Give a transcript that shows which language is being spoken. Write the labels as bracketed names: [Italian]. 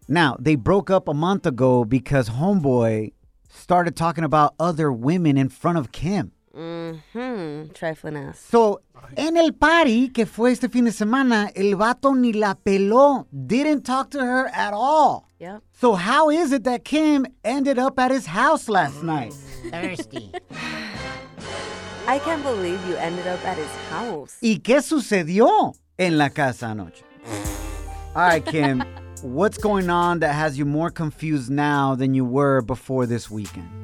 [English] Now, they broke up a month ago because homeboy started talking about other women in front of Kim. Mm-hmm. Trifling ass. [Spanish] So, en el party que fue este fin de semana, el vato ni la peló. [English] Didn't talk to her at all. Yep. So how is it that Kim ended up at his house last night? Thirsty. I can't believe you ended up at his house. [Spanish] ¿Y qué sucedió en la casa anoche? [English] All right, Kim, what's going on that has you more confused now than you were before this weekend?